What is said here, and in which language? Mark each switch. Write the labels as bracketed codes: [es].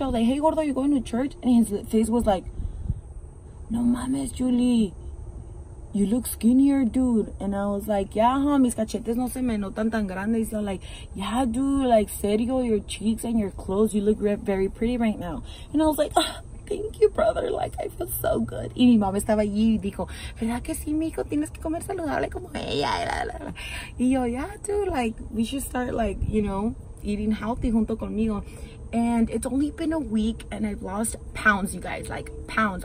[en] I was like, hey, gordo, you going to church? And his face was like, [es] no mames, [en] Julie, you look skinnier, dude. And I was like, yeah, huh, [es] mis cachetes no se me notan tan grandes. [en] So like, yeah, dude, like, serio, your cheeks and your clothes, you look very pretty right now. And I was like, thank you, brother. Like, I feel so good. [es] Y mi mamá estaba allí y dijo, ¿verdad que sí, mijo? Tienes que comer saludable como ella. Y yo, [en] yeah, dude, like, we should start, like, you know, eating healthy [es] junto conmigo. [en] And it's only been a week and I've lost pounds, you guys, like pounds.